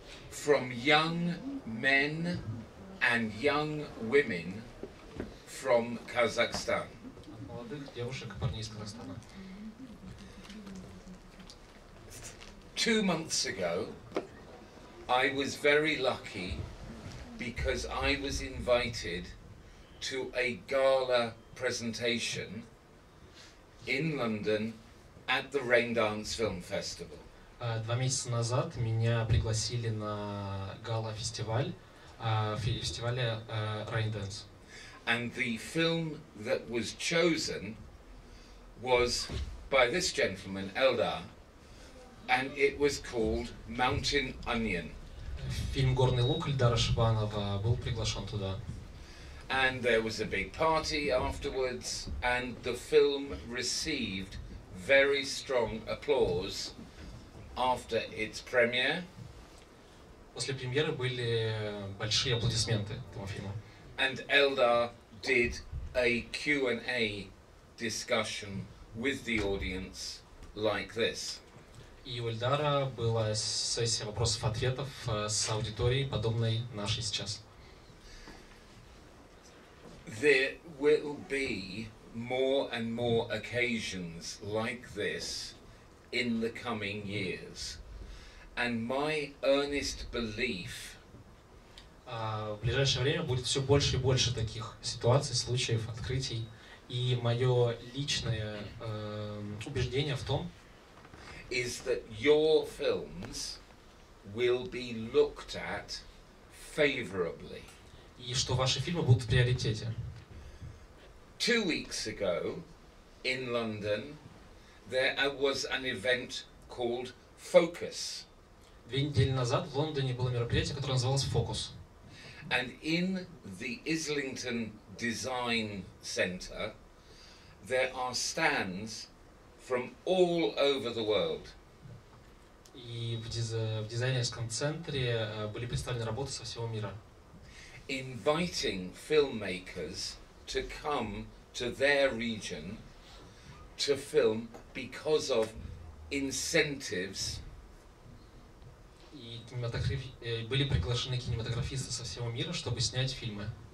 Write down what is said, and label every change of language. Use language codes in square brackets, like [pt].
[en] From young men and young women from Kazakhstan. [ru] От молодых девушек и парней из Казахстана. [en] 2 months ago, I was very lucky because I was invited to a gala presentation in London at the Raindance Film Festival. [ru] Два месяца назад меня пригласили на гала-фестиваль, фестивале Raindance. [en] And the film that was chosen was by this gentleman, Eldar. And it was called Mountain Onion. [ru] Фильм «Горный лук» Эльдара Шибанова был приглашен туда. [en] And there was a big party afterwards, and the film received very strong applause after its premiere. [ru] После премьеры были большие аплодисменты этому фильму. [en] And Eldar did a Q&A discussion with the audience like this. [ru] И у Эльдара была сессия вопросов-ответов с аудиторией, подобной нашей сейчас. [en] There will be more and more occasions like this in the coming years. And my earnest belief... [ru] В ближайшее время будет все больше и больше таких ситуаций, случаев, открытий. И мое личное убеждение в том, [en] is that your films will be looked at favorably. [ru] И что ваши фильмы будут в приоритете. [en] 2 weeks ago in London there was an event called Focus. [ru] 2 недели назад в Лондоне было мероприятие, которое называлось Focus. [en] And in the Islington Design Center there are stands from all over the world. [ru] И в дизайнерском центре были представлены работы со всего мира. [en] Inviting filmmakers to come to their region to film because of incentives. [ru] И были приглашены кинематографисты со всего мира, чтобы снять фильмы.